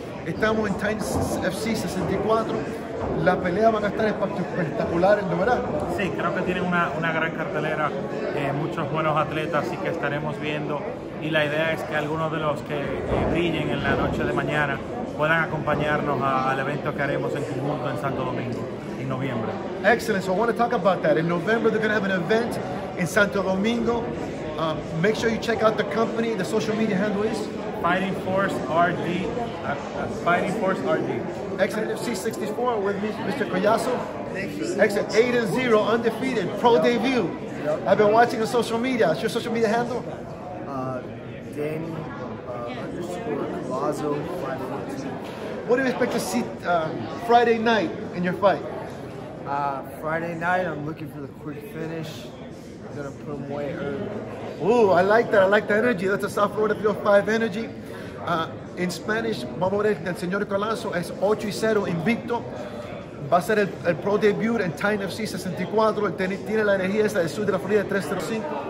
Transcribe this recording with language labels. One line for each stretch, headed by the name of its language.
Spanish: Estamos en Titan FC 64. La pelea van a estar espectaculares, ¿no verdad? Sí, creo que tienen una gran cartelera, muchos buenos atletas, así que estaremos viendo. Y la idea es que algunos de los que brillen en la noche de mañana puedan acompañarnos al evento que haremos en conjunto en Santo Domingo en noviembre.
English: Excellent, so I want to talk about that. In November they're going to have an event in Santo Domingo. Make sure you check out the company, the social media handle is Fighting Force RD. Fighting Force RD. Excellent. C64 with Mr. Collazo. Thank you. Excellent. 8-0, undefeated, pro debut. Yep. I've been watching on social media. What's your social media handle? Danny _Collazo 512. What do you expect to see Friday night in your fight? Friday night, I'm looking for the quick finish. I'm going to put him way early. Ooh, I like that. I like the energy. That's a South Florida 305 energy. In Spanish,
Spanish: vamos a ver que el señor Collazo es 8-0 invicto. Va a ser el pro debut en Titan FC 64. El tiene la energía esa del sur de la Florida 305.